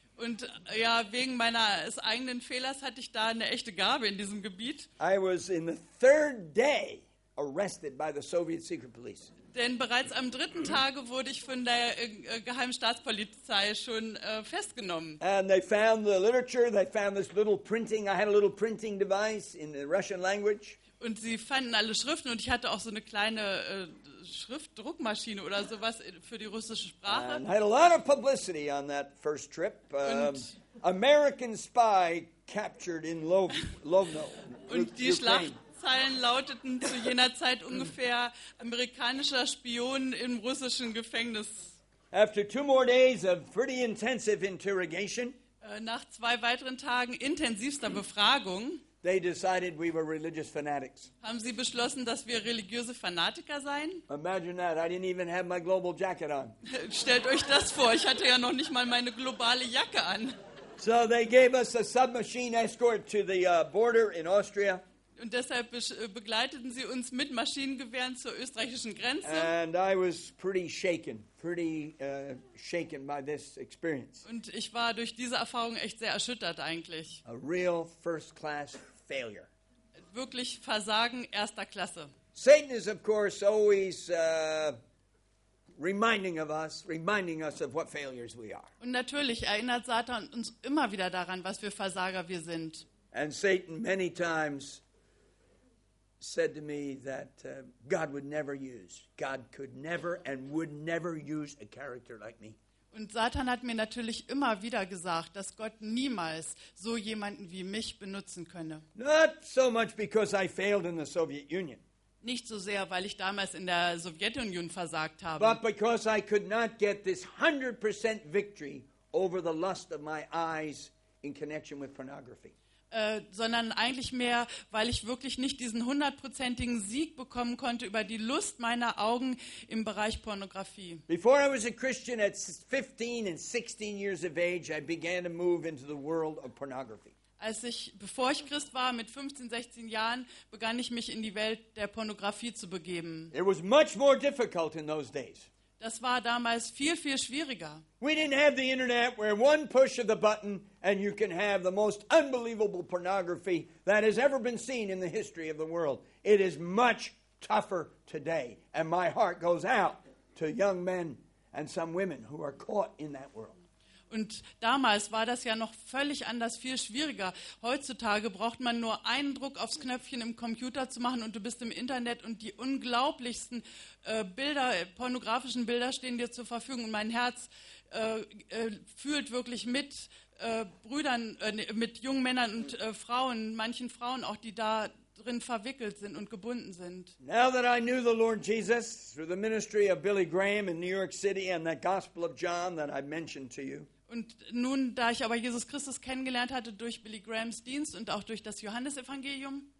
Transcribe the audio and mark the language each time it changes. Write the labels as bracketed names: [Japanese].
[German] Und ja, wegen meines eigenen Fehlers hatte ich da eine echte Gabe in diesem Gebiet. [English] I was in the third day arrested by the Soviet secret police. [German] Denn bereits am dritten Tage wurde ich von der geheimen Staatspolizei schon festgenommen. [English] And they found the literature, they found this little printing, I had a little printing device in the Russian language. [German] Und sie fanden alle Schriften und ich hatte auch so eine kleine Schriftdruckmaschine oder sowas für die russische Sprache. [English] And I had a lot of publicity on that first trip. American spy captured in Lovno. [German] Und die Schlacht. Zeilen lauteten zu jener Zeit ungefähr amerikanischer Spion im russischen Gefängnis. [English] After two more days of pretty intensive interrogation, [German] nach zwei weiteren Tagen intensivster Befragung, [English] they decided we were religious fanatics. [German] Haben sie beschlossen, dass wir religiöse Fanatiker seien? [English] Imagine that, I didn't even have my global jacket on. [German] Stellt euch das vor, ich hatte ja noch nicht mal meine globale Jacke an. [English] So they gave us a submachine escort to the border in Austria. [German] Und deshalb begleiteten sie uns mit Maschinengewehren zur österreichischen Grenze. [English] And I was pretty shaken by this experience. [German] Und ich war durch diese Erfahrung echt sehr erschüttert eigentlich. [English] A real first class failure. [German] Wirklich Versagen erster Klasse. [English] Satan is of course always reminding us of what failures we are. [German] Und natürlich erinnert Satan uns immer wieder daran, was für Versager wir sind. [English] And Satan many times said to me that God would never use, God could never and would never use a character like me. [German] Und Satan hat mir natürlich immer wieder gesagt, dass Gott niemals so jemanden wie mich benutzen könne. [English] Not so much because I failed in the Soviet Union. [German] Nicht so sehr, weil ich damals in der Sowjetunion versagt habe. [English] But because I could not get this 100% victory over the lust of my eyes in connection with pornography. [German] Sondern eigentlich mehr, weil ich wirklich nicht diesen 100%igen Sieg bekommen konnte über die Lust meiner Augen im Bereich Pornografie. [English] Before I was a Christian at 15 and 16 years of age, I began to move into the world of pornography. [German] Bevor ich Christ war, mit 15, 16 Jahren, begann ich mich in die Welt der Pornografie zu begeben. [English] It was much more difficult in those days. [German] Das war damals viel, viel schwieriger. [English] We didn't have the internet where one push of the button and you can have the most unbelievable pornography that has ever been seen in the history of the world. It is much tougher today. And my heart goes out to young men and some women who are caught in that world. [German] Und damals war das ja noch völlig anders, viel schwieriger. Heutzutage braucht man nur einen Druck aufs Knöpfchen im Computer zu machen und du bist im Internet und die unglaublichsten Bilder, pornografischen Bilder stehen dir zur Verfügung. Und mein Herz fühlt wirklich mit Brüdern, mit jungen Männern und Frauen, manchen Frauen auch, die da drin verwickelt sind und gebunden sind. [English] Now that I knew the Lord Jesus through the ministry of Billy Graham in New York City and that Gospel of John that I mentioned to you. [German] Und nun, da ich aber Jesus Christus kennengelernt hatte durch Billy Grahams Dienst und auch durch das Johannesevangelium,